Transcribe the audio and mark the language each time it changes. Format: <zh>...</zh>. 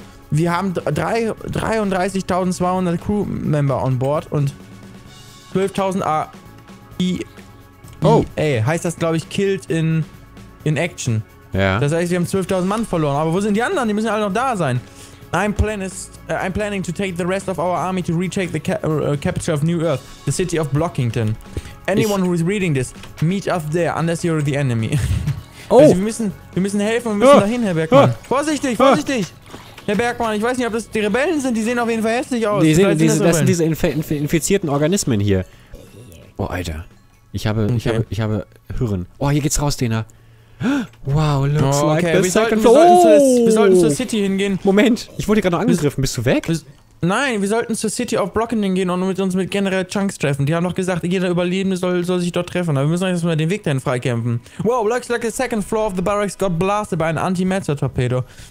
<de>Wir haben 33.200 Crewmember on board und 12.000 heißt das, glaube ich,</de> <en>killed in action.</en> <de>Ja. Das heißt, wir haben 12.000 Mann verloren. Aber wo sind die anderen? Die müssen alle noch da sein.</de> <en>I'm planning to take the rest of our army to retake the capital of New Earth, the city of Blockington. Anyone who is reading this, meet us there, unless you're the enemy. Oh.</en> <de>Also, wir müssen helfen und müssen dahin, Herr Bergmann. Vorsichtig! Herr Bergmann, ich weiß nicht, ob das die Rebellen sind, die sehen auf jeden Fall hässlich aus. Das sind diese infizierten Organismen hier. Oh, Alter. Ich habe Hirn. Oh, hier geht's raus, Dena.</de> <en>Wow, looks like the second floor.</en> <de>Wir sollten zur City hingehen. Moment, ich wurde gerade noch angegriffen. Bist du weg? Nein, wir sollten zur City of Blockington gehen und uns mit General Chunks treffen. Die haben doch gesagt, jeder Überlebende soll sich dort treffen. Aber wir müssen erstmal den Weg dahin freikämpfen.</de> <en>Wow, looks like the second floor of the barracks got blasted by an anti-matter-Torpedo.</en>